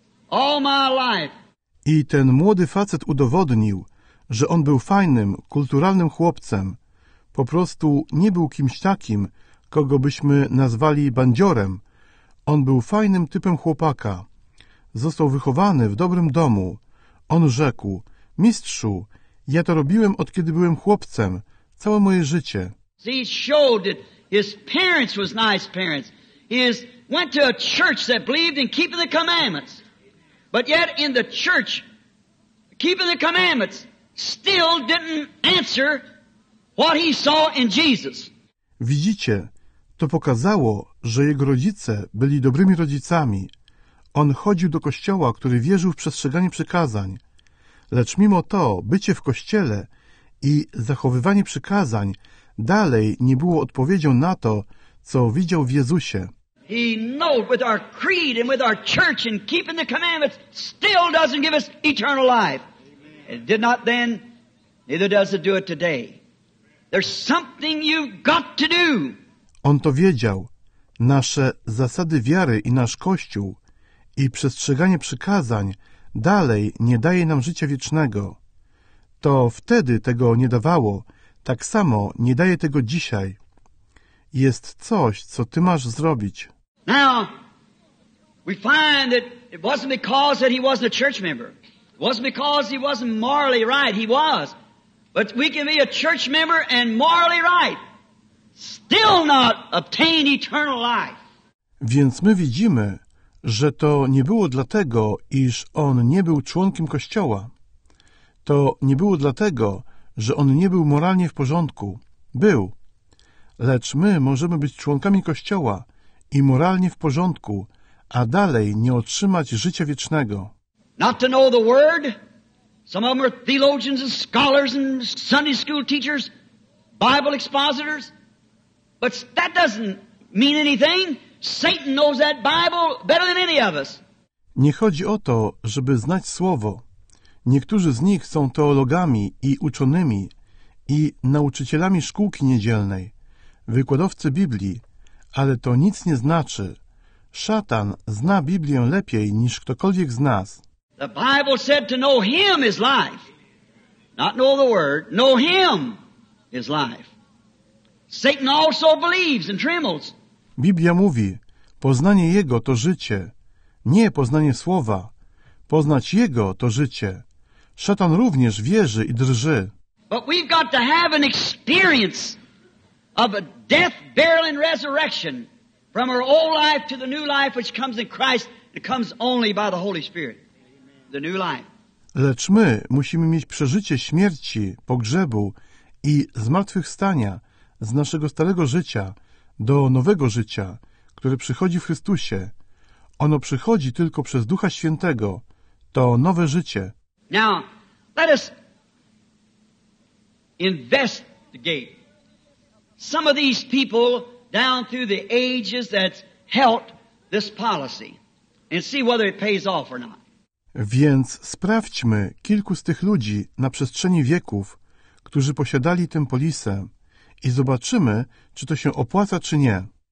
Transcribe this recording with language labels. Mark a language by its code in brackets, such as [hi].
[en] All my life. [pl] I ten młody facet udowodnił, że on był fajnym, kulturalnym chłopcem. Po prostu nie był kimś takim, kogo byśmy nazwali bandziorem. On był fajnym typem chłopaka. Został wychowany w dobrym domu. On rzekł, Mistrzu, ja to robiłem od kiedy byłem chłopcem, całe moje życie. [en] He showed that his parents was nice parents. He went to a church that believed in keeping the commandments. But yet in the church, keeping the commandments, still didn't answer what he saw in Jesus. [pl] Widzicie, to pokazało, że jego rodzice byli dobrymi rodzicami. On chodził do kościoła, który wierzył w przestrzeganie przykazań. Lecz mimo to, bycie w kościele i zachowywanie przykazań dalej nie było odpowiedzią na to, co widział w Jezusie. [en] He knows with our creed and with our church and keeping the commandments still doesn't give us eternal life. It did not then, neither does it do it today. There's something you've got to do. [pl] On to wiedział. Nasze zasady wiary i nasz Kościół i przestrzeganie przykazań dalej nie daje nam życia wiecznego. To wtedy tego nie dawało, tak samo nie daje tego dzisiaj. Jest coś, co ty masz zrobić. [en] Now, we find that it wasn't because that he wasn't a church member. It wasn't because he wasn't morally right. He was. But we can be a church member and morally right. Still not obtain eternal life. [pl] Więc my widzimy, że to nie było dlatego, iż on nie był członkiem kościoła. To nie było dlatego, że on nie był moralnie w porządku. Był. Lecz my możemy być członkami kościoła i moralnie w porządku, a dalej nie otrzymać życia wiecznego. [en] Not to know the word. Some of them are theologians and scholars and Sunday school teachers, Bible expositors. But that doesn't mean anything. Satan knows that Bible better than any of us. [pl] Nie chodzi o to, żeby znać słowo. Niektórzy z nich są teologami i uczonymi i nauczycielami szkółki niedzielnej. wykładowcy Biblii, ale to nic nie znaczy. Szatan zna Biblię lepiej niż ktokolwiek z nas. [en] The Bible said to know him is life. Not know the word, know him is life. Satan also believes and trembles. [pl] Biblia mówi, poznanie Jego to życie, nie poznanie Słowa. Poznać Jego to życie. Szatan również wierzy i drży. [en] But we've got to have an experience of a death, burial and resurrection from our old life to the new life which comes in Christ. It comes only by the Holy Spirit. The new life. [pl] Lecz my musimy mieć przeżycie śmierci, pogrzebu i zmartwychwstania z naszego starego życia do nowego życia, które przychodzi w Chrystusie. Ono przychodzi tylko przez Ducha Świętego. To nowe życie. [en] Now, let us investigate some of these people down through the ages that helped this policy and see whether it pays off or not. [pl] Więc sprawdźmy kilku z tych ludzi na przestrzeni wieków, którzy posiadali tę polisę i zobaczymy, czy to się opłaca, czy nie.